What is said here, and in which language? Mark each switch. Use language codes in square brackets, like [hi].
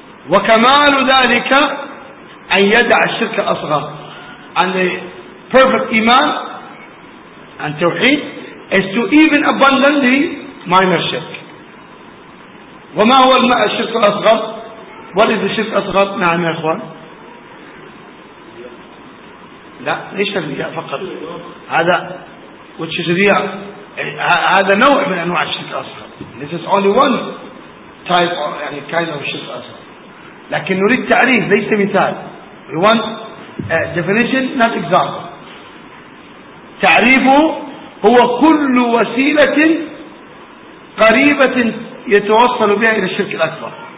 [ar] وكمال ذلك أن يدع الشرك أصغر. [en] And the perfect iman and tawheed is to even abundantly minor shirk. [ar] وما هو الشرك الأصغر؟ [en] What is the shirk [ar] أصغر؟ نعم يا أخوان. لا ليس الرياء فقط هذا [en] which is [ar] الرياء هذا نوع من أنواع الشرك الأصغر. [en] This is only one type or يعني kind of الشرك الأصغر. [ar] لكن نريد تعريف ليس مثال. [en] We want definition not example. [ar] تعريفه هو كل وسيلة قريبة يتوصل بها إلى الشرك الأكبر.